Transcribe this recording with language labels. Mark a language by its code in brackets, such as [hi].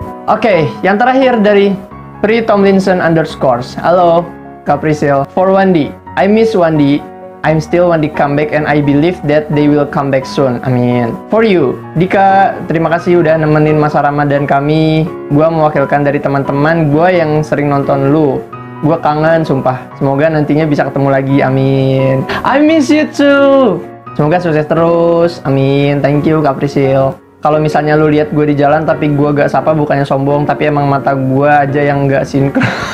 [id] Okay, yang terakhir dari Pri Tomlinson _. Halo Kak Prisil. [en] For 1D, I miss 1D. I'm still 1D comeback and I believe that they will come back soon. I mean, for you. [id] Dika, terima kasih udah nemenin masa Ramadan kami. Gua mewakilkan dari teman-teman gua yang sering nonton lu. Gua kangen sumpah. Semoga nantinya bisa ketemu lagi. Amin. [en] I miss you too. [id] Semoga sukses terus. Amin. [en] Thank you [id] Kak Prisil. Kalau misalnya lu lihat gua di jalan tapi gua gak sapa, bukannya sombong, tapi emang mata gua aja yang gak sinkron.